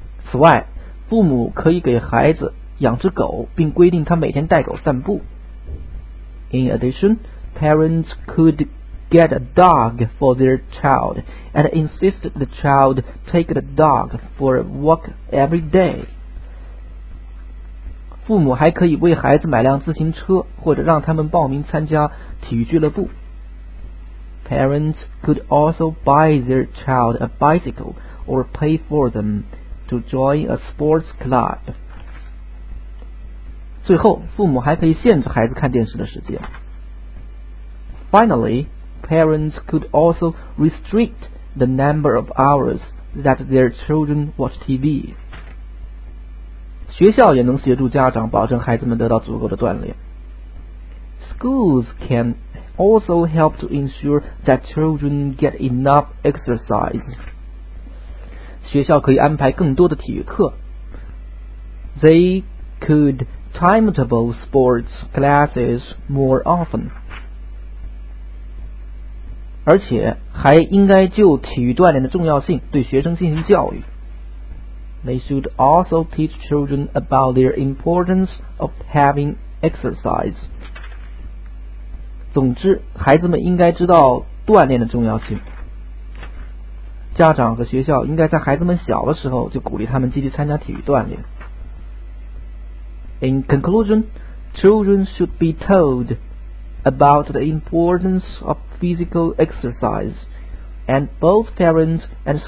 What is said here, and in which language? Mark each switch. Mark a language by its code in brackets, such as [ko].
[zh] 此外，父母可以给孩子养只狗，并规定他每天带狗散步。 [en] In addition, parents could get a dog for their child and insist the child take the dog for a walk every day. [zh] 父母还可以为孩子买辆自行车，或者让他们报名参加体育俱乐部。 [en] Parents could also buy their child a bicycle or pay for them to join a sports club. [zh] 最后，父母还可以限制孩子看电视的时间。 [en] Finally, parents could also restrict the number of hours that their children watch TV. [zh] 学校也能协助家长保证孩子们得到足够的锻炼。 [en] Schools can also help to ensure that children get enough exercise. [zh] 学校可以安排更多的体育课。 [en] They could timetable sports classes more often. [zh] 而且还应该就体育锻炼的重要性对学生进行教育。 [en] They should also teach children about their importance of having exercise. [zh] 总之，孩子们应该知道锻炼的重要性。家长和学校应该在孩子们小的时候就鼓励他们积极参加体育锻炼。 [en] In conclusion, children should be told about the importance of physical exercise, and both parents and schools should motivate them to be active